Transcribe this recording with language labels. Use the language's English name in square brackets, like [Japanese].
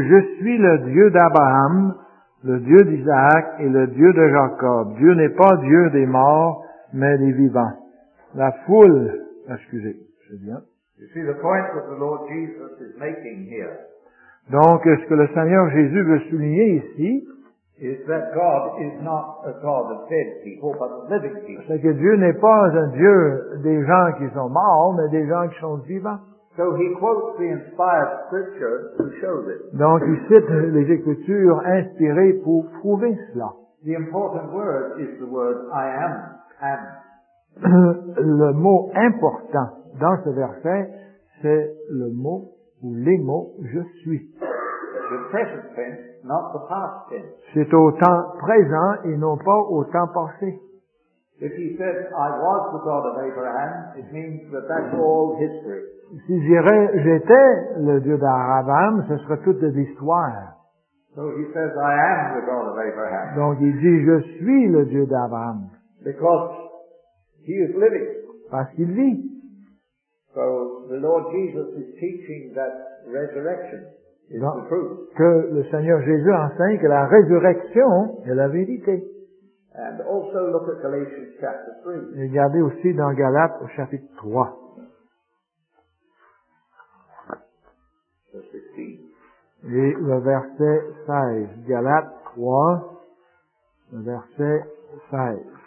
[French] Je suis le Dieu d'Abraham, le Dieu d'Isaac et le Dieu de Jacob. Dieu n'est pas Dieu des morts, mais des vivants. La foule, excusez, c'est bien. [English] You see the point that the Lord Jesus is making here. [French] Donc, ce que le Seigneur Jésus veut souligner ici [English] is that God is not a God of dead people, but of living people. [French] C'est que Dieu n'est pas un Dieu des gens qui sont morts, mais des gens qui sont vivants. [English] So he quotes the inspired scripture to show this. [French] Donc il cite les écritures inspirées pour prouver cela. [English] The important word is the word I am, am. [French] Le mot important dans ce verset, c'est le mot ou les mots je suis. [English] The present tense, not the past tense. [French] C'est au temps présent et non pas au temps passé. [English] If he says I was the God of Abraham, it means that that's all history. [French] Si je dirais j'étais le Dieu d'Abraham, ce serait toute de l'histoire. [English] So he says, I am the God of Abraham. [French] Donc il dit je suis le Dieu d'Abraham. [English] Because he is living. [French] Parce qu'il vit. [English] So the Lord Jesus is teaching that resurrection is [French] donc, [English] the truth. [French] Que le Seigneur Jésus enseigne que la résurrection est la vérité. [English] And also look at Galatians chapter 3. [French] Et regardez aussi dans Galates au chapitre 3. Et le verset 16, Galates 3, le verset 16.